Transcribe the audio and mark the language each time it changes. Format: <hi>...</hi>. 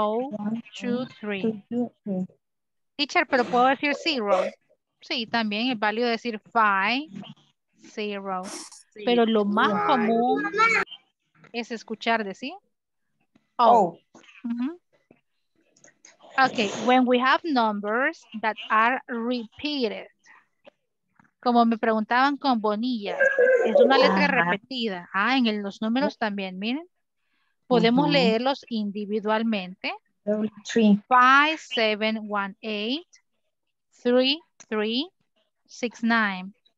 <en>5, 0, 5, 9, 1, 0, 2, 3. Teacher,</en> <es>pero puedo decir</es> <en>zero.</en> <es>Sí, también es válido decir 5, 0. Pero lo más común es escuchar decir O.</es> <en>Okay, when we have numbers that are repeated.</en> <es>Como me preguntaban con Bonilla, es una letra repetida. Ah, en los números también, miren. Podemos leerlos individualmente.</es> <en>5, 7, 1, 8, 3, 3, 6, 9.</en>